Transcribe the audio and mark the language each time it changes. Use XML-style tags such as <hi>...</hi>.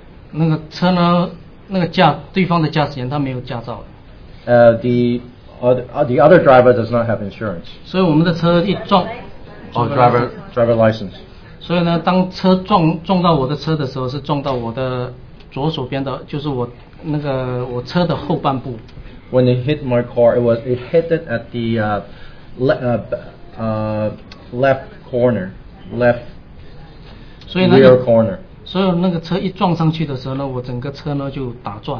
<zh>那个车呢，那个驾对方的驾驶员他没有驾照。</zh> <en>The other driver does not have insurance.</en> <zh>所以我们的车一撞</zh> <en>driver license.</en> <zh>所以呢，当车撞到我的车的时候，是撞到我的左手边的，就是我那个我车的后半部。</zh> <en>When it hit my car, it hit at the left corner, left rear corner.</en> <zh>所以那个车一撞上去的时候呢，我整个车呢就打转</zh>